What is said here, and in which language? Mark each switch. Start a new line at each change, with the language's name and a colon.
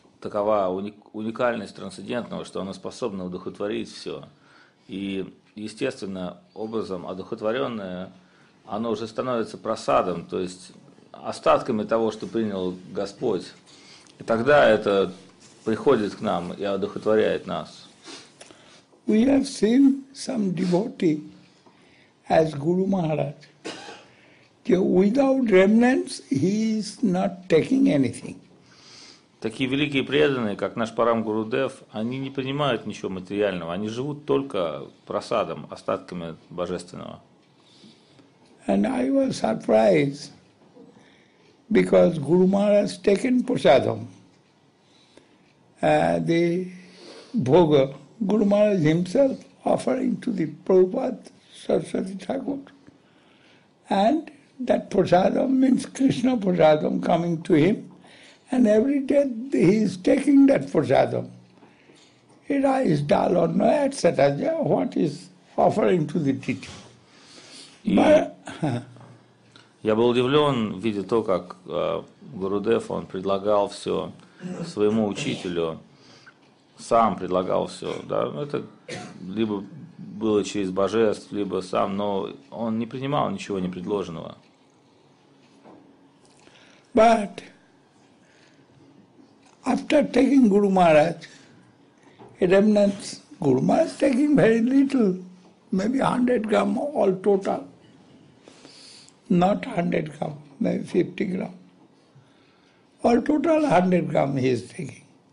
Russian: такова уникальность трансцендентного, что оно способно удухотворить все. И естественно, образом одухотворенное, оно уже становится просадом, то есть остатками того, что принял Господь. И тогда это приходит к нам и одухотворяет нас.
English: We have seen some devotee as Guru Maharaj. Without remnants, he is not taking anything.
Russian: Такие великие преданные, как наш Парам Гурудев, они не принимают ничего материального, они живут только просадом, остатками божественного.
English: And I was surprised, because Guru Maharaj taken prasadam, the bhoga, Guru Maharaj himself offering to the Prabhupada Saraswati Thakur, and that prasadam means Krishna prasadam coming to him, and every day he is taking that prasadam. He is dal or no, etc. What is offering to the deity?
Russian: Я был удивлен, видя то, как Гурудев он предлагал все своему учителю, сам предлагал все. Да, это либо было через божеств, либо сам, но он не принимал ничего непредложенного.
English: But after taking Guru Maharaj, remnants, Guru Maharaj taking very little, maybe 100 gram all total. Not 100 gram, maybe 50 gram. All total 100 gram he is taking.